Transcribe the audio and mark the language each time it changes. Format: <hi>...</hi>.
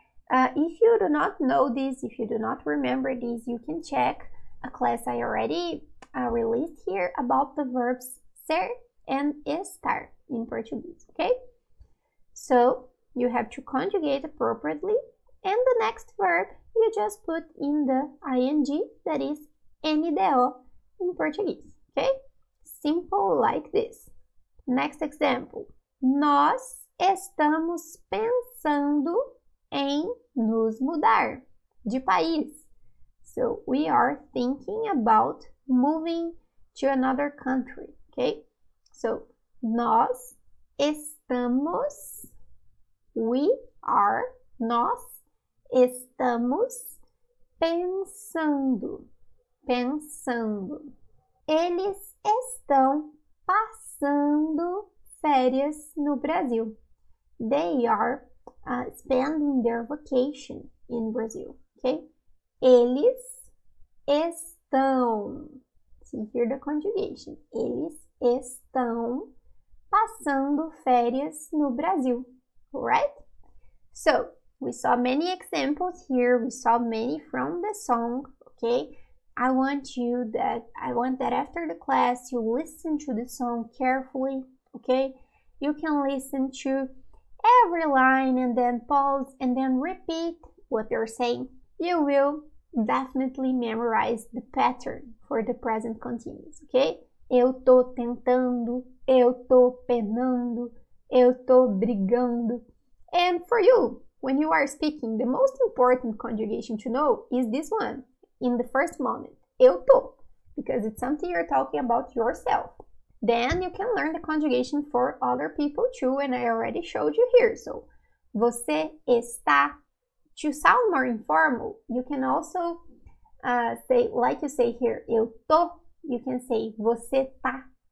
<en>If you do not know this, if you do not remember this, you can check a class I already released here about the verbs ser and estar in Portuguese, okay? So, you have to conjugate appropriately, and the next verb you just put in the ing, that is NDO in Portuguese, okay? Simple like this. Next example.</en> <pt>Nós estamos pensando em nos mudar de país.</pt> <en>So, we are thinking about moving to another country, okay?</en> <pt>So, nós estamos,</pt> <en>we are,</en> <pt>nós estamos pensando, pensando. Eles estão passando férias no Brasil.</pt> <en>They are spending their vacation in Brazil, okay?</en> <pt>Eles estão.</pt> <en>See here the conjugation.</en> <pt>Eles estão passando férias no Brasil.</pt> <en>Alright? So, we saw many examples here. We saw many from the song, okay? I want that after the class, you listen to the song carefully, okay? You can listen to every line and then pause and then repeat what they're saying. You will definitely memorize the pattern for the present continuous, okay?</en> <pt>Eu tô tentando, eu tô penando, eu tô brigando.</pt> <en>And for you, when you are speaking, the most important conjugation to know is this one, in the first moment,</en> <pt>eu tô,</pt> <en>because it's something you're talking about yourself. Then you can learn the conjugation for other people too, and I already showed you here. So,</en> <pt>você está.</pt> <en>To sound more informal, you can also say, like you say here,</en> <pt>eu tô,</pt> <en>you can say,</en> <pt>você tá.</pt>